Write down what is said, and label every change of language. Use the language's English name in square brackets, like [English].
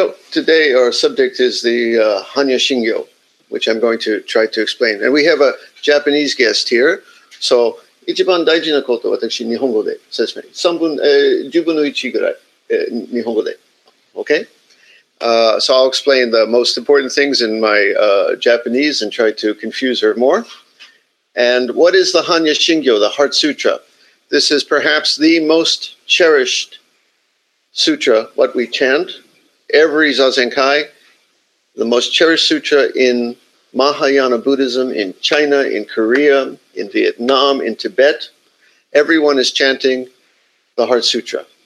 [English] Today, our subject is the Hanya Shingyo, which I'm going to try to explain. And we have a Japanese guest here. [Japanese] So, 一番大事なことは私日本語で説明。10分の1ぐらい日本語で。 [English] Okay? So I'll explain the most important things in my Japanese and try to confuse her more. And what is the Hanya Shingyo, the Heart Sutra? This is perhaps the most cherished sutra, what we chant. Every Zazen Kai, the most cherished sutra in Mahayana Buddhism, in China, in Korea, in Vietnam, in Tibet, everyone is chanting the Heart Sutra.